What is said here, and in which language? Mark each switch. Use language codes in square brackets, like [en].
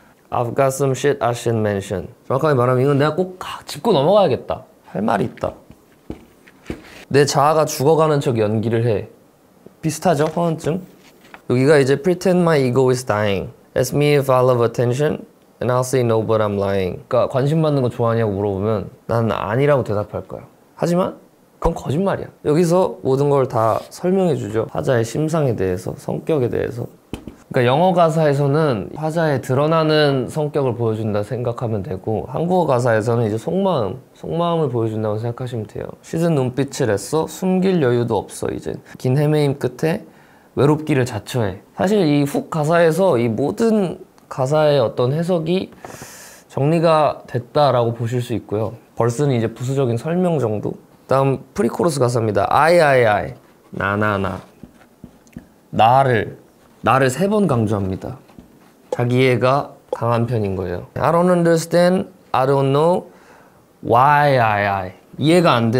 [en] I've got some shit I should mention. [ko] 정확하게 말하면 이건 내가 꼭 짚고 넘어가야겠다. 할 말이 있다. 내 자아가 죽어가는 척 연기를 해. 비슷하죠? 허언증? 여기가 이제 [en] Pretend my ego is dying. Ask me if I love attention. And I'll say no, but I'm lying. [ko] 그러니까 관심 받는 거 좋아하냐고 물어보면 난 아니라고 대답할 거야. 하지만 그건 거짓말이야. 여기서 모든 걸 다 설명해 주죠. 화자의 심상에 대해서, 성격에 대해서. 그러니까 영어 가사에서는 화자의 드러나는 성격을 보여준다 생각하면 되고 한국어 가사에서는 이제 속마음, 속마음을 보여준다고 생각하시면 돼요. 시든 눈빛을 했어, 숨길 여유도 없어 이제. 긴 헤매임 끝에 외롭기를 자처해. 사실 이 훅 가사에서 이 모든 가사의 어떤 해석이 정리가 됐다라고 보실 수 있고요. 벌스는 이제 부수적인 설명 정도. 다음 프리코러스 가사입니다. I 나나나 나를 세 번 강조합니다. 자기애가 강한 편인 거예요. [en] I don't understand. I don't know why I [ko] 이해가 안 돼.